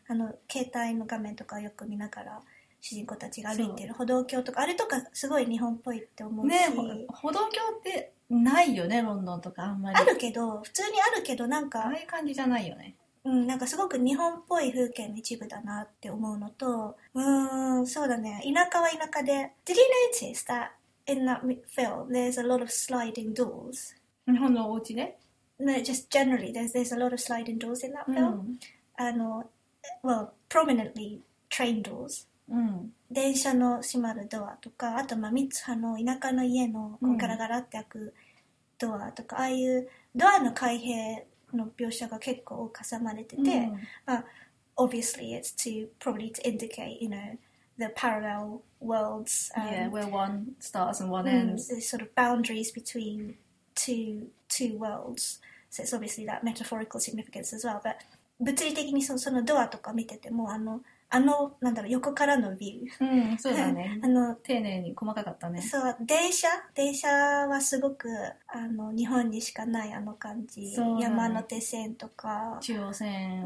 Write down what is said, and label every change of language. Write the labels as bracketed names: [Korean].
[Japanese] あの携帯の画面とかよく見ながら主人公たちが歩いてる歩道橋とか、あれとかすごい日本っぽいって思うし、ね、歩道橋ってないよね、ロンドンとかあんまり。あるけど、普通にあるけど、なんかああいう感じじゃないよね。うん、なんかすごく日本っぽい風景の一部だなって思うのと、そうだね、田舎は田舎で。 [English] Did you notice that in that film there's a lot of sliding doors? [Japanese] 日本のお家ね。 [English] No, just generally there's a lot of sliding doors in that film、うん、あの、well, prominently train doors、うん、 [Japanese] 電車の閉まるドアとか、あとまあ三葉の田舎の家のこうガラガラって開くドアとか、うん、ああいうドアの開閉の描写が結構挟まれてて、まあ、 [English] obviously it's to probably to indicate, you know, the parallel worlds, yeah, where one starts and one ends, the sort of boundaries between two worlds. So it's obviously that metaphorical significance as well. [Japanese] But 物理的にそのドアとか見てても、あのなんだろう、横からのビュー、うん、そうだね。あの丁寧に細かかったね。そう、電車はすごくあの日本にしかないあの感じ。そう、ね、山手線とか中央線、